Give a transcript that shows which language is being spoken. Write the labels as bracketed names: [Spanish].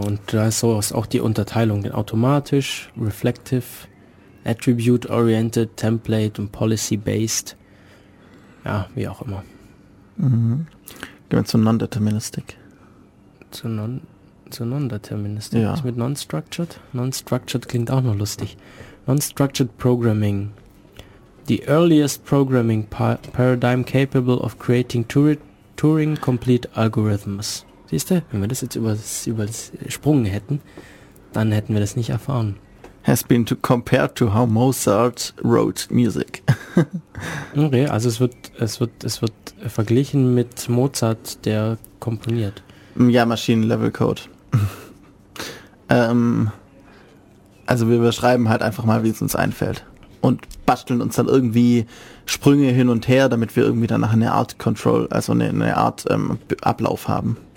[German] Und da ist sowas auch die Unterteilung in automatisch, reflective, Attribute-Oriented, Template und Policy-Based. Ja, wie auch immer. Mhm. Gehen wir zu Non-Deterministic. Zu Non-Deterministic? Ja. Was mit Non-Structured? Non-Structured klingt auch noch lustig. [English] Unstructured programming. The earliest programming paradigm capable of creating Turing-complete algorithms. [German] Siehst du, wenn wir das jetzt übersprungen hätten, dann hätten wir das nicht erfahren. [English] Has been to compare to how Mozart wrote music. [German] Okay, also es wird verglichen mit Mozart, der komponiert. Ja, Maschinen-Level-Code. Also wir beschreiben halt einfach mal, wie es uns einfällt. Und basteln uns dann irgendwie Sprünge hin und her, damit wir irgendwie danach eine Art Control, also eine Art Ablauf haben.